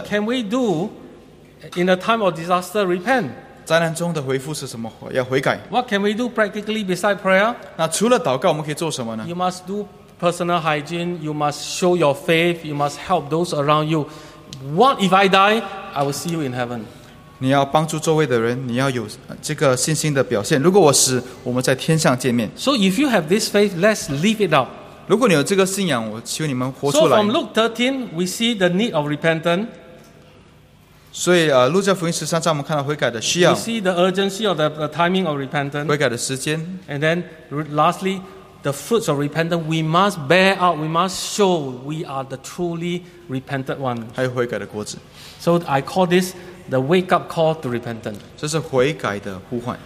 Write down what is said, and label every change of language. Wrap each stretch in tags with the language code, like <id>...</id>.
<en>What can we do in a time of disaster? Repent.</en> <zh>灾难中的回复是什么?要悔改。</zh> <en>What can we do practically beside prayer?</en> <zh>那除了祷告我们可以做什么呢?</zh> <en>You must do personal hygiene. You must show your faith. You must help those around you. What if I die? I will see you in heaven.</en> <zh>你要帮助周围的人，你要有这个信心的表现。如果我死，我们在天上见面。</zh> <en>So if you have this faith, let's live it out.</en> <zh>如果你有这个信仰，我求你们活出来。</zh> <en>So from Luke 13, we see the need of repentance.</en> <zh>所以，路加福音13章，我们看到悔改的需要。</zh> <en>We see the urgency of the timing of repentance.</en> <zh>悔改的时间。</zh> <en>And then, lastly, the fruits of repentance we must bear out. We must show we are the truly repentant one.</en> <zh>还有悔改的果子。</zh> <en>So I call this the wake-up call to repentance.</en> <zh>这是悔改的呼唤。</zh>